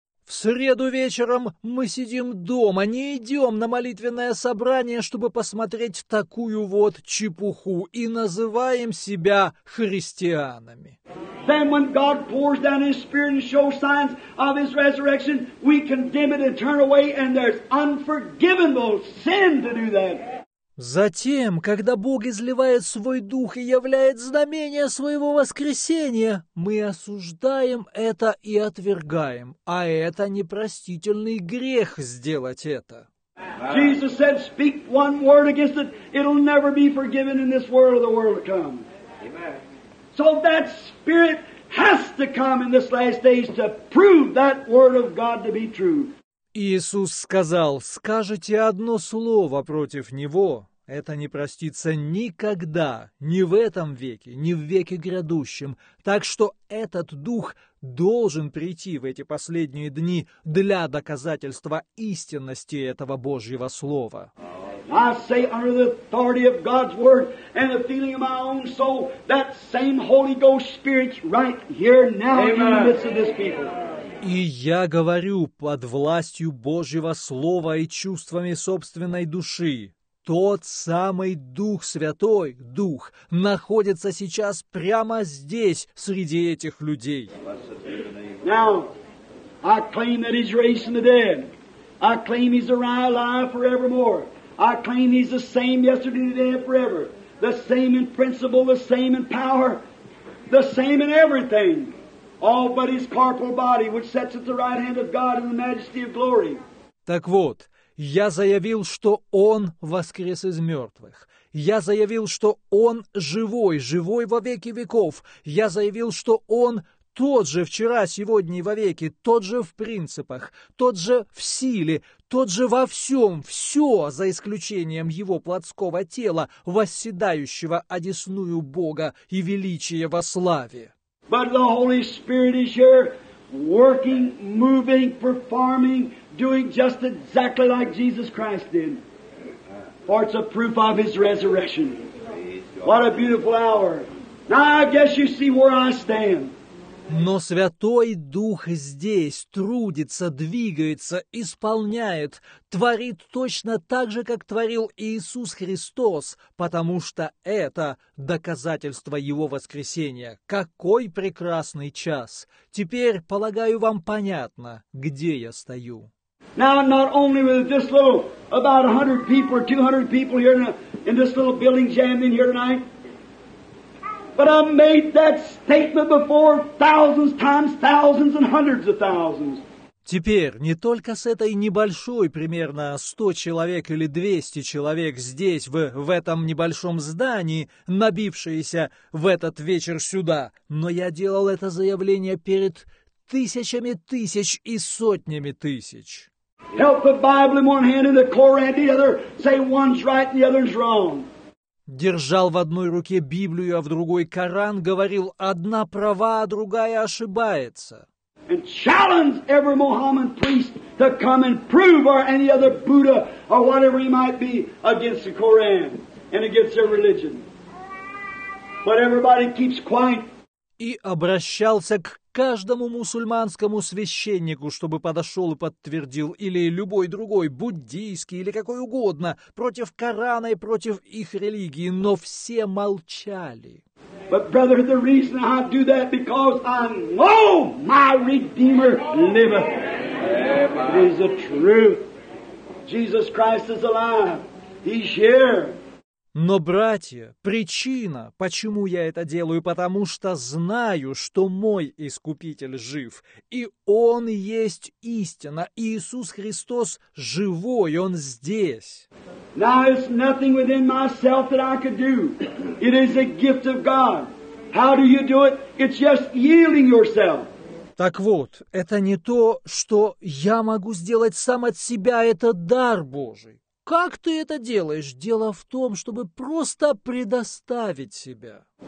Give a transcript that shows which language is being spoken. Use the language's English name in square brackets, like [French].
[Russian] В среду вечером мы сидим дома, не идем на молитвенное собрание, чтобы посмотреть такую вот чепуху и называем себя христианами. [English] Then when God pours down His Spirit and shows signs of His resurrection, we condemn it and turn away, and there's unforgivable sin to do that. [Russian] Затем, когда Бог изливает Свой Дух и являет знамение Своего воскресения, мы осуждаем это и отвергаем, а это непростительный грех сделать это. [English] Jesus said, speak one word against it, it'll never be forgiven in this world or the world to come. Amen. So that Spirit has to come in this last days to prove that word of God to be true. [Russian] Иисус сказал, скажете одно слово против Него, это не простится никогда, ни в этом веке, ни в веке грядущем. Так что этот дух должен прийти в эти последние дни для доказательства истинности этого Божьего Слова. [English] I say under the authority of God's Word and the feeling of my own soul, that same Holy Ghost Spirit's right here now in the midst of this people. [Russian] И я говорю под властью Божьего Слова и чувствами собственной души. Тот самый Дух Святой, Дух, находится сейчас прямо здесь, среди этих людей. [English] Now, I claim that He's raised from the dead. I claim He's alive forevermore. I claim He's the same yesterday, today, and forever. The same in principle, the same in power, the same in everything. All but His corporal body, which sits at the right hand of God in the majesty of glory. [Russian] Так вот, я заявил, что Он воскрес из мертвых. Я заявил, что Он живой, живой во веки веков. Я заявил, что Он тот же вчера, сегодня и во веки, тот же в принципах, тот же в силе, тот же во всем, все, за исключением Его плотского тела, восседающего одесную Бога и величия во славе. [English] But the Holy Spirit is here, working, moving, performing, doing just exactly like Jesus Christ did. For it's a proof of His resurrection. What a beautiful hour. Now I guess you see where I stand. [Russian] Но Святой Дух здесь трудится, двигается, исполняет, творит точно так же, как творил Иисус Христос, потому что это доказательство Его воскресения. Какой прекрасный час! Теперь, полагаю, вам понятно, где я стою. [English] Now, not only with this little, about 100 people or 200 people here in this little building jamming here tonight, but I made that statement before thousands times thousands and hundreds of thousands. [Russian] Теперь не только с этой небольшой, примерно 100 человек или 200 человек здесь, в этом небольшом здании, набившиеся в этот вечер сюда, но я делал это заявление перед тысячами тысяч и сотнями тысяч. [English] Help the Bible in one hand and the Koran the other, say one's right and the other's wrong. [Russian] Держал в одной руке Библию, а в другой Коран, говорил, одна права, а другая ошибается. [English] And challenge every Mohammedan priest to come and prove or any other Buddha or whatever he might be against the Koran and against their religion. But everybody keeps quiet. [Russian] И обращался к каждому мусульманскому священнику, чтобы подошел и подтвердил, или любой другой, буддийский, или какой угодно, против Корана и против их религии, но все молчали. [English] But brother, the reason I do that because I know my Redeemer liveth. It is the truth. Jesus Christ is alive. He's here. [Russian] Но, братья, причина, почему я это делаю, потому что знаю, что мой Искупитель жив, и Он есть истина, Иисус Христос живой, Он здесь. [English] Now it's nothing within myself that I could do. It is a gift of God. How do you do it? It's just yielding yourself. [Russian] Так вот, это не то, что я могу сделать сам от себя, это дар Божий. Как ты это делаешь? Дело в том, чтобы просто предоставить себя.